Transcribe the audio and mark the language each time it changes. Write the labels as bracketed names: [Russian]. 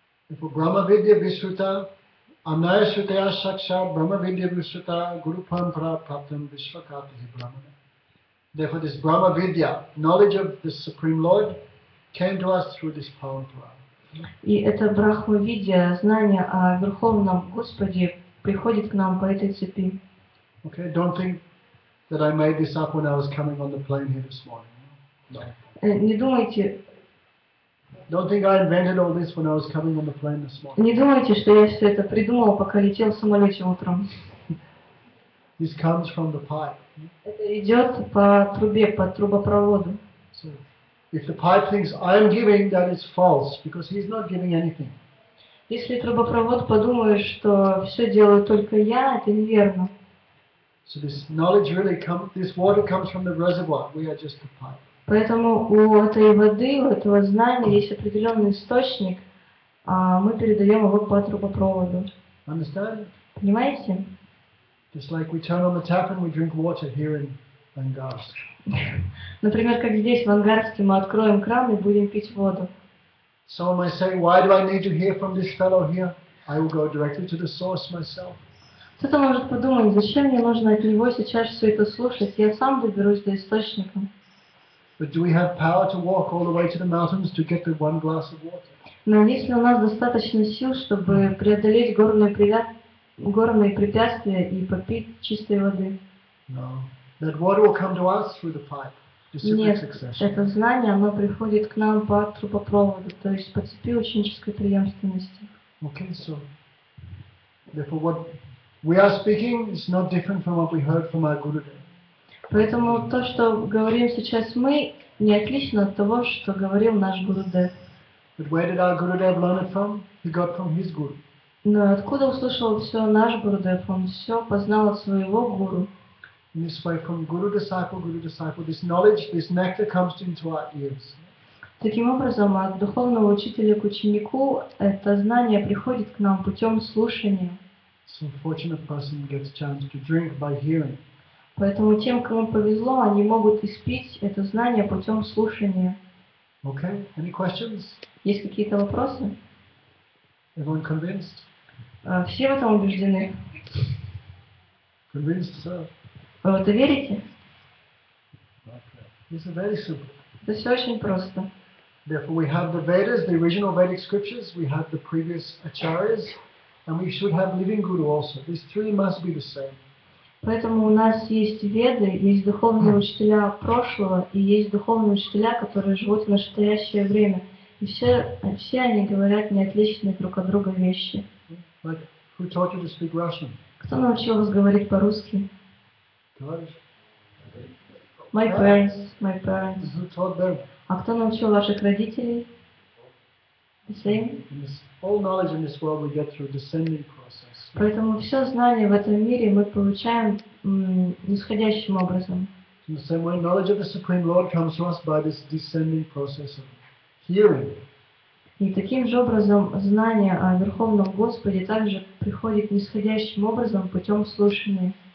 [Sanskrit] И по Брахма Видья Висрута Anaya Shrutaya Saksha Brahma Vidya Visrutta Guru Parampara Praptam Vishwakatihi Brahmane. [English] Therefore this Brahma Vidya, knowledge of the Supreme Lord, came to us through this Parampara. [Russian] И это Брахма Видья, знание о Верховном Господе, приходит к нам по этой цепи. [English] Okay, don't think that I made this up when I was coming on the plane here this morning. No. [Russian] Не думайте. [English] Don't think I invented all this when I was coming on the plane this morning. [Russian] Не думайте, что я все это придумал, пока летел в самолете утром. [English] This comes from the pipe. [Russian] Это идет по трубе, по трубопроводу. [English] So, if the pipe thinks I am giving, that is false, because he's not giving anything. [Russian] Если трубопровод подумает, что все делаю только я, это неверно. [English] So this knowledge really comes. This water comes from the reservoir. We are just the pipe. [Russian] Поэтому у этой воды, у этого знания есть определенный источник, а мы передаем его по трубопроводу. [English] Understand? [Russian] Понимаете? [English] Just like we turn on the tap and we drink water here in Angarsk. [Russian] Например, как здесь, в Ангарске, мы откроем кран и будем пить воду. [English] Someone might say, why do I need to hear from this fellow here? I will go directly to the source myself. [Russian] Кто-то может подумать, зачем мне нужно от него сейчас все это слушать? Я сам доберусь до источника. [English] But do we have power to walk all the way to the mountains to get the one glass of water? [Russian] Но есть ли у нас достаточно сил, чтобы преодолеть горные препятствия и попить чистой воды? [English] No. That water will come to us through the pipe. [Russian] Нет, это знание, оно приходит к нам по трубопроводу, то есть по цепи ученической преемственности. [English] Okay, so therefore what we are speaking is not different from what we heard from our Gurudev. [Russian] Поэтому то, что говорим сейчас мы, не отлично от того, что говорил наш Гурудев. [English] But where did our Gurudev learn it from? He got from his Guru. [Russian] Но откуда услышал все наш Гурудев? Он все познал от своего Гуру. [English] In this way, from guru disciple, this knowledge, this nectar comes into our ears. [Russian] Таким образом, от духовного учителя к ученику это знание приходит к нам путем слушания. [English] So fortunate person gets chance to drink by hearing. [Russian] Поэтому тем, кому повезло, они могут испить это знание путем слушания. [English] Okay, any questions? [Russian] Есть какие-то вопросы? [English] Everyone convinced? [Russian] Все в этом убеждены. [English] Convinced, sir. [Russian] Вы в это верите? [English] Okay. It's very simple. [Russian] Это все очень просто. [English] Therefore, we have the Vedas, the original Vedic scriptures, we have the previous acharyas, and we should have living guru also. These three must be the same. [Russian] Поэтому у нас есть Веды, есть духовные учителя прошлого и есть духовные учителя, которые живут в настоящее время. И все они говорят неотличные друг от друга вещи. [English] But who taught you to speak Russian? [Russian] Кто научил вас говорить по-русски? [English] My parents, my parents. Who taught them? [Russian] А кто научил ваших родителей? [English] The same. All knowledge in this world we get through descending process. [Russian] Поэтому все знание в этом мире мы получаем нисходящим образом. [English] In the same way, knowledge of the Supreme Lord comes to us by this descending process of hearing. [Russian] И таким же образом знание о Верховном Господе также приходит нисходящим образом путем слушания.